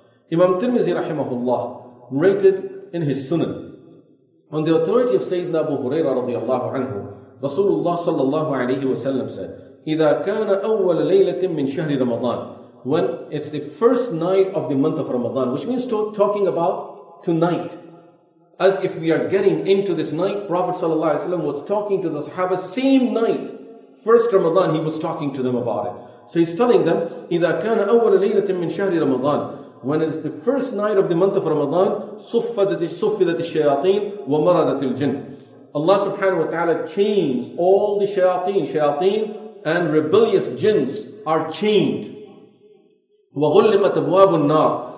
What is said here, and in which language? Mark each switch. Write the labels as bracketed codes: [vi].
[en] Imam Tirmizi rahimahullah rated in his Sunan, on the authority of Sayyidina Abu Huraira radiallahu anhu, Rasulullah sallallahu alayhi wa sallam said, [ar] إِذَا كَانَ أَوَّلَ لَيْلَةٍ مِّن شَهْرِ رَمَضَانِ. [en] When it's the first night of the month of Ramadan, which means talking about tonight. As if we are getting into this night, Prophet sallallahu alayhi wa sallam was talking to the Sahaba same night. First Ramadan, he was talking to them about it. So he's telling them, [ar] إِذَا كَانَ أَوَّلَ لَيْلَةٍ مِّن شَهْرِ رَمَضَانِ. [en] When it is the first night of the month of Ramadan, [ar] صُفِّدَتِ الشَّيَاطِينَ وَمَرَدَتِ الْجِنَّ. [en] Allah subhanahu wa ta'ala chains all the shayateen, and rebellious jinns are chained. [ar] وَغُلِّقَتْ أَبْوَابُ النَّارِ.